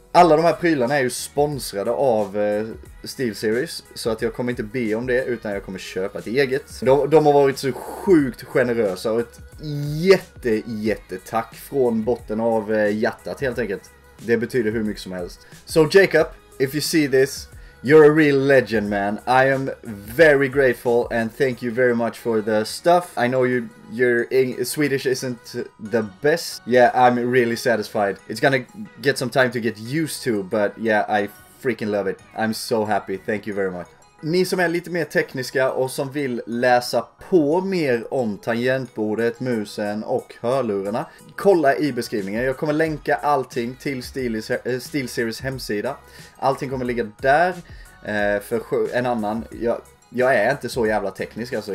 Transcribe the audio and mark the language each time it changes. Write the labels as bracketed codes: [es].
[sv] Alla de här prylarna är ju sponsrade av SteelSeries, så att jag kommer inte be om det, utan jag kommer köpa ett eget. De har varit så sjukt generösa och ett jättetack från botten av hjärtat helt enkelt. Det betyder hur mycket som helst. [en] So Jacob, if you see this, you're a real legend, man. I am very grateful and thank you very much for the stuff. I know Swedish isn't the best. Yeah, I'm really satisfied. It's gonna get some time to get used to, but yeah, I freaking love it. I'm so happy. Thank you very much. [sv] Ni som är lite mer tekniska och som vill läsa på mer om tangentbordet, musen och hörlurarna, kolla i beskrivningen. Jag kommer länka allting till SteelSeries hemsida. Allting kommer ligga där. För en annan, jag är inte så jävla teknisk alltså.